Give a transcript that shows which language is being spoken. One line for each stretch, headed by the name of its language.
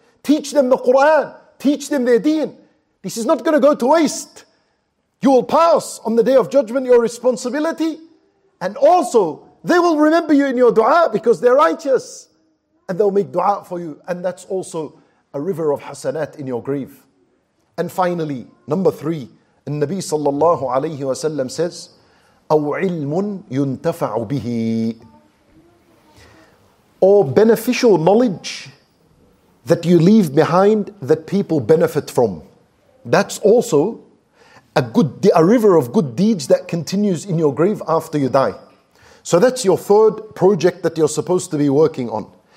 English: Teach them the Quran, teach them their deen. This is not going to go to waste. You will pass on the Day of Judgment your responsibility. And also, they will remember you in your dua because they're righteous. And they'll make dua for you. And that's also a river of hasanat in your grave. And finally, number three,
Arabic: النبي صلى الله عليه وسلم
English: says,
Arabic: أو علم ينتفع به.
English: Or beneficial knowledge that you leave behind that people benefit from. That's also a river of good deeds that continues in your grave after you die. So that's your third project that you're supposed to be working on.